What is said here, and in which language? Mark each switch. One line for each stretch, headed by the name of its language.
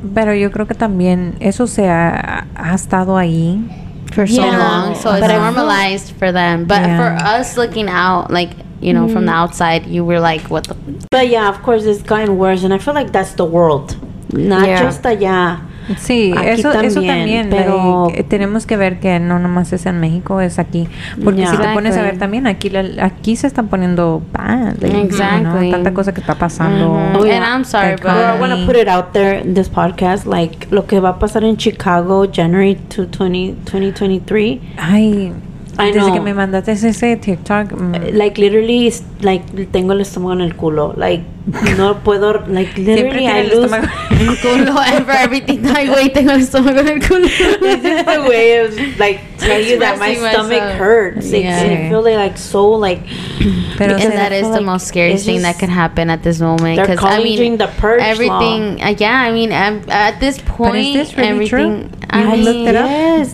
Spanish: Pero yo creo que también eso se ha estado ahí
English: for so long. So but it's normalized for them. But for us looking out, like, you know, from the outside, you were like, what the... But, yeah, of course, it's gotten worse. And I feel like that's the world. Not just allá.
Spanish: Sí, eso también, pero like, tenemos que ver que no nomás es en México, es aquí, porque si te pones a ver también aquí se están poniendo bad, like, you know, tanta cosa que está pasando.
English: Oh, yeah. And I'm sorry, but I want to put it out there in this podcast, like,
Spanish: lo que va a pasar en Chicago
English: January 2023. Ay. I know.
Spanish: Que me mandaste ese TikTok. Like, literally, like, tengo el estómago en el culo.
English: Like,
Spanish: no puedo,
English: like, literally, I lose
Spanish: el culo
English: and for everything.
Spanish: Like, wait, tengo el estómago en el culo.
English: This is the way of, like, tell you that my stomach hurts. Yeah. And I feel like so, like. Pero and that is the most scary thing that can happen at this moment. They're calling during the purge everything, law. Yeah, I mean, at this point, but is this really everything. True? I looked it up.